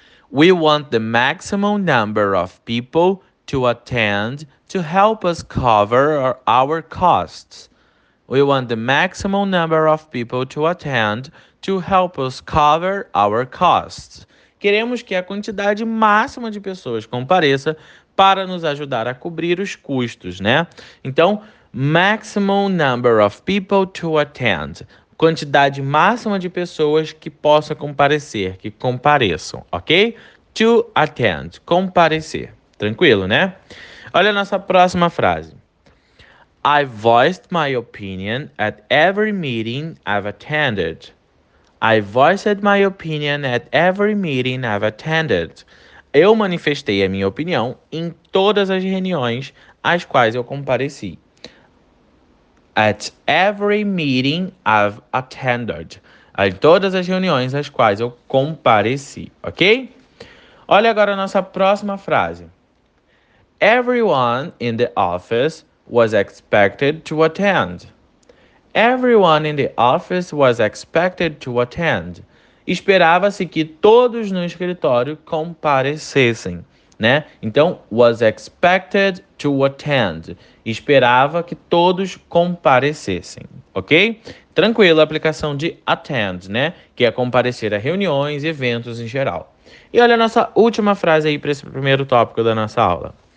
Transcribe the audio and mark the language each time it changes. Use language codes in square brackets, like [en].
[en] We want the maximum number of people to attend to help us cover our costs. We want the maximum number of people to attend to help us cover our costs. [pt] Queremos que a quantidade máxima de pessoas compareça para nos ajudar a cobrir os custos, né? [en] Então, maximum number of people to attend. [pt] Quantidade máxima de pessoas que possa comparecer, que compareçam, ok? [en] To attend, [pt] comparecer. Tranquilo, né? Olha a nossa próxima frase. [en] I voiced my opinion at every meeting I've attended. I voiced my opinion at every meeting I've attended. [pt] Eu manifestei a minha opinião em todas as reuniões às quais eu compareci. [en] At every meeting I've attended. [pt] Em todas as reuniões às quais eu compareci, ok? Olha agora a nossa próxima frase. [en] Everyone in the office was expected to attend. Everyone in the office was expected to attend. [pt] Esperava-se que todos no escritório comparecessem, né? Então, [en] was expected to attend. [pt] Esperava que todos comparecessem, ok? Tranquilo, a aplicação de attend, né? Que é comparecer a reuniões e eventos em geral. E olha a nossa última frase aí para esse primeiro tópico da nossa aula.